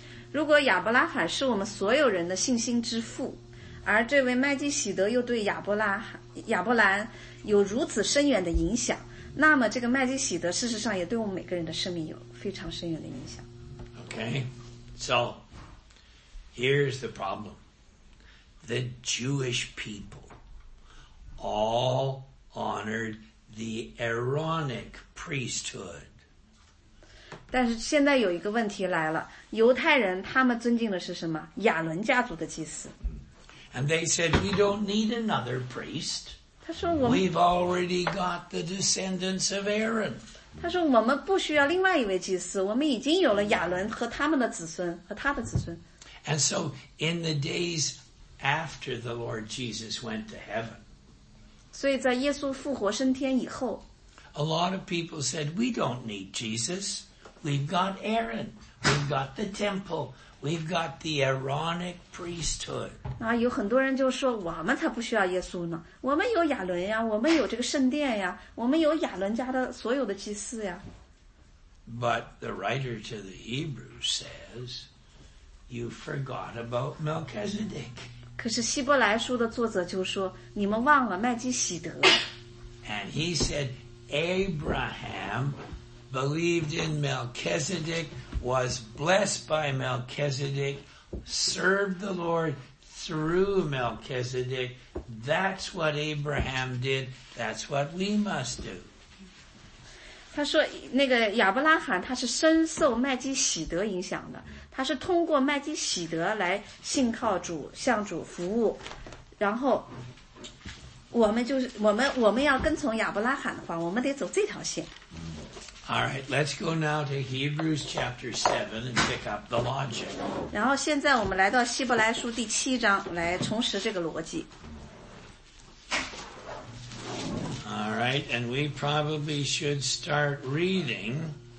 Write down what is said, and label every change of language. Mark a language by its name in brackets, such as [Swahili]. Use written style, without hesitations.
[Chinese] 如果亚伯拉罕是我们所有人的信心之父，而这位麦基洗德又对亚伯兰有如此深远的影响，那么这个麦基洗德事实上也对我们每个人的生命有非常深远的影响。 [English] Okay, so here's the problem. The Jewish people all honored the Aaronic priesthood. [Chinese] 但是现在有一个问题来了，犹太人他们尊敬的是什么？亚伦家族的祭司。 [English] And they said, we don't need another priest. [Chinese] 他说我们, [English] We've already got the descendants of Aaron. [Chinese] 他说我们不需要另外一位祭司，我们已经有了亚伦和他们的子孙，和他的子孙。 [English] And so in the days after the Lord Jesus went to heaven, [Chinese] 所以在耶稣复活升天以后, [English] a lot of people said, we don't need Jesus. We've got Aaron. We've got the temple. We've got the Aaronic priesthood. [Chinese] 啊，有很多人就说我们才不需要耶稣呢，我们有亚伦呀，我们有这个圣殿呀，我们有亚伦家的所有的祭司呀。 [English] But the writer to the Hebrews says, you forgot about Melchizedek. [Chinese] 可是希伯来书的作者就说你们忘了麦基洗德。 [English] And he said, Abraham believed in Melchizedek, was blessed by Melchizedek, served the Lord through Melchizedek. That's what Abraham did. That's what we must do. [Chinese] 他说那个亚伯拉罕他是深受麦基洗德影响的，他是通过麦基洗德来信靠主，向主服务，然后我们要跟从亚伯拉罕的话，我们得走这条线。 [English] All right, let's go now to Hebrews chapter 7 and pick up the logic. [Chinese] 然后现在我们来到希伯来书第七章，来重拾这个逻辑。 [English] All right, and we probably should start reading